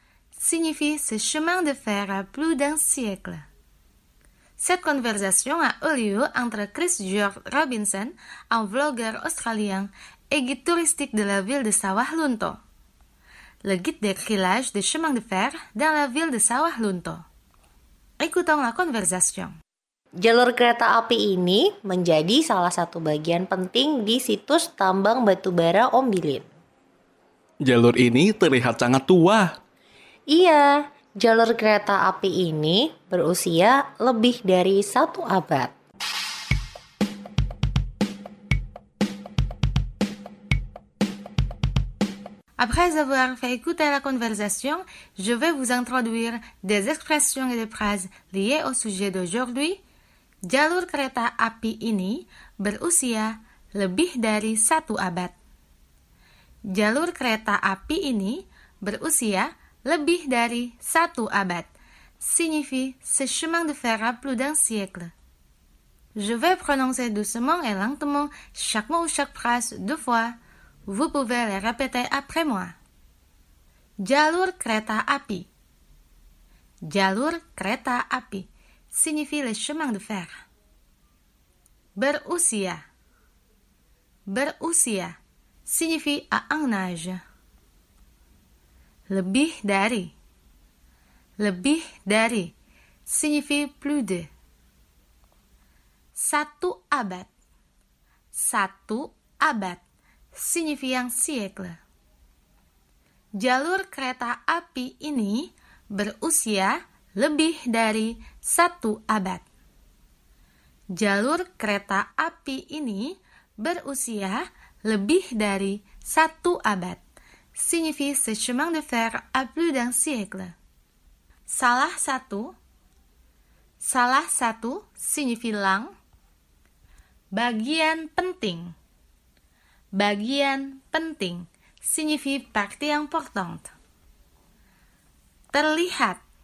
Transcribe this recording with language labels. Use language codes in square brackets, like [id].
[fr] Signifie ce chemin de fer a plus d'un siècle. Cette conversation a eu lieu entre Chris George Robinson, un vlogueur australien, et guide touristique de la ville de Sawah Lunto. Le guide décrit l'âge des chemins de fer dans la ville de Sawah Lunto. Écoutons la conversation. [id] Jalur kereta api ini menjadi salah satu bagian penting di situs tambang batubara Ombilin. Jalur ini terlihat sangat tua. Iya, jalur kereta api ini berusia lebih dari satu abad. [fr] Après avoir fait écouter la conversation, je vais vous introduire des expressions et des phrases liées au sujet d'aujourd'hui. [id] Jalur kereta api ini berusia lebih dari satu abad. Jalur kereta api ini berusia lebih dari satu abad. [fr] Signifie ce chemin de fer a plus d'un siècle. Je vais prononcer doucement et lentement chaque mot ou chaque phrase deux fois. Vous pouvez les répéter après moi. [id] Jalur kereta api. Jalur kereta api [fr] signifie le chemin de fer. [id] Berusia. Berusia [fr] signifie à un âge. [id] Lebih dari. Lebih dari [fr] signifie plus de. [id] Satu abad. Satu abad [fr] signifie un siècle. [id] Jalur kereta api ini berusia lebih dari satu abad. Jalur kereta api ini berusia lebih dari satu abad. [fr] Signifie ce chemin de fer a plus d'un siècle. [id] Salah satu. Salah satu [fr] signifie lang. [id] Bagian penting. Bagian penting [fr] signifie partie importante. [id] Terlihat.